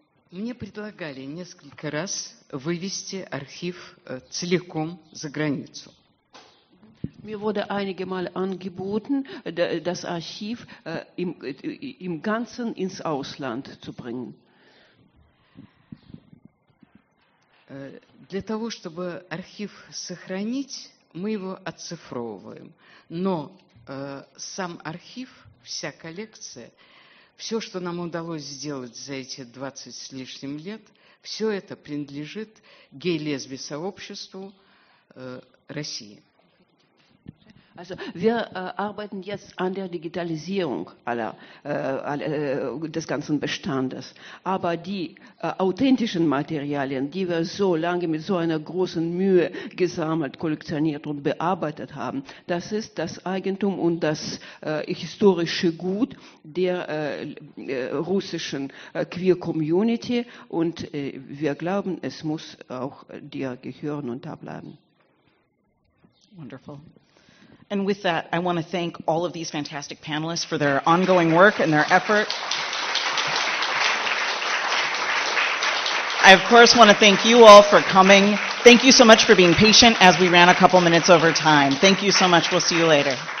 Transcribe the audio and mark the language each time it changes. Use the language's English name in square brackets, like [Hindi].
[Russian] Мне предлагали несколько раз вывести архив целиком за границу. [German] Mir wurde einige Male angeboten, das Archiv im Ganzen ins Ausland zu bringen. [Russian] Для того, чтобы архив сохранить, мы его оцифровываем. Но сам архив, вся коллекция, все, что нам удалось сделать за эти 20 с лишним лет, все это принадлежит гей-лесби-сообществу России. [German] Also wir arbeiten jetzt an der Digitalisierung des ganzen Bestandes. Aber die authentischen Materialien, die wir so lange mit so einer großen Mühe gesammelt, kollektioniert und bearbeitet haben, das ist das Eigentum und das historische Gut der russischen Queer-Community. Und wir glauben, es muss auch dir gehören und da bleiben. [English] Wonderful. And with that, I want to thank all of these fantastic panelists for their ongoing work and their effort. I, of course, want to thank you all for coming. Thank you so much for being patient as we ran a couple minutes over time. Thank you so much. We'll see you later.